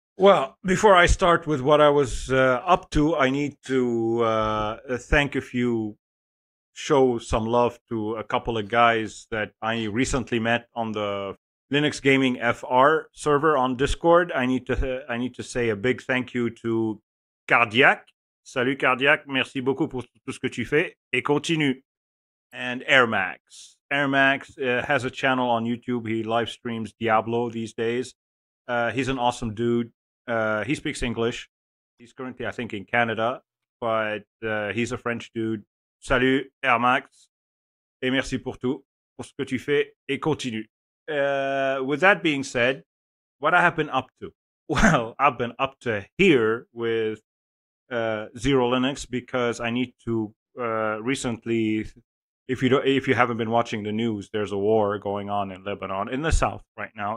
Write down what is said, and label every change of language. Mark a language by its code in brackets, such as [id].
[en] Well, before I start with what I was up to, I need to thank a few, show some love to a couple of guys that I recently met on the Linux Gaming FR server on Discord. I need to say a big thank you to Cardiac. [fr] Salut Cardiac, merci beaucoup pour tout ce que tu fais et continue. [en] And Air Max. Air Max has a channel on YouTube. He live streams Diablo these days. He's an awesome dude. He speaks English. He's currently, I think, in Canada, but he's a French dude. [fr] Salut, Air Max. Et merci pour tout, pour ce que tu fais, et continue. [en] With that being said, what I have been up to? Well, I've been up to here with Zero Linux because I need to recently. If you haven't been watching the news, there's a war going on in Lebanon in the south right now.